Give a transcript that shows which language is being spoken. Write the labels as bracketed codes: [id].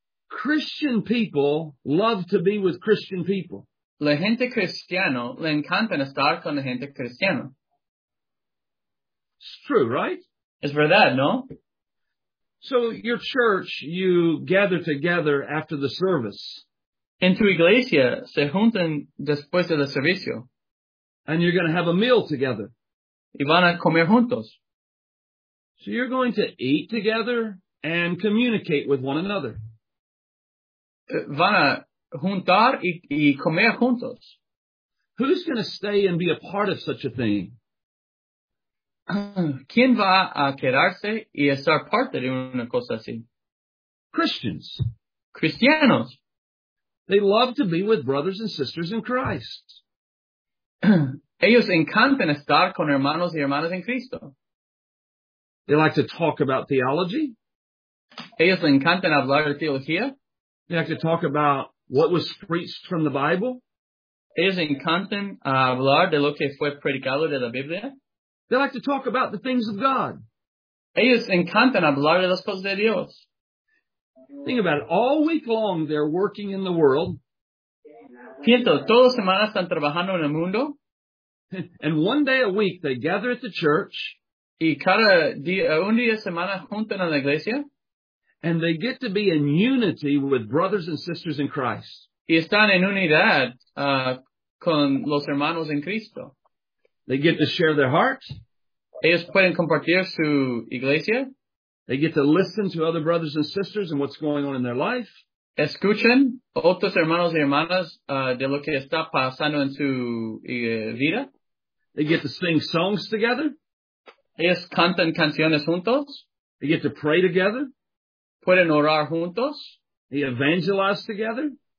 [en] Christian people love to be with Christian people. [es] La gente cristiana le encanta estar con la gente cristiana. [en] It's true, right? [es] Es verdad, no? [en] So your church, you gather together after the service. [es] En tu iglesia se juntan después del servicio. [en] And you're going to have a meal together. [es] Y van a comer juntos. [en] So you're going to eat together and communicate with one another. [es] Van a juntar y comer juntos. [en] Who's going to stay and be a part of such a thing? [es] ¿Quién va a quedarse y estar parte de una cosa así? [en] Christians. [es] Cristianos. [en] They love to be with brothers and sisters in Christ. [es] Ellos encantan estar con hermanos y hermanas en Cristo. [en] They like to talk about theology. [es] Ellos encantan hablar de teología. [en] They like to talk about what was preached from the Bible. [es] ellos encantan hablar de lo que fue predicado de la Biblia. [en] They like to talk about the things of God. [es] Ellos encantan hablar de las cosas de Dios. [en] Think about it. All week long, they're working in the world. [es] Piensa, todas las semanas están trabajando en el mundo. [en] And one day a week, they gather at the church. [es] Y cada día, un día a semana, juntan a la iglesia. [en] And they get to be in unity with brothers and sisters in Christ. [es] Y están en unidad con los hermanos en Cristo. [en] They get to share their hearts. [es] Ellos pueden compartir su iglesia. [en] They get to listen to other brothers and sisters and what's going on in their life. [es] Escuchen otros hermanos y hermanas de lo que está pasando en su vida. [en] They get to sing songs together. [es] Ellos cantan canciones juntos. [en] They get to pray together. [es] Pueden orar juntos. [en] They evangelize together.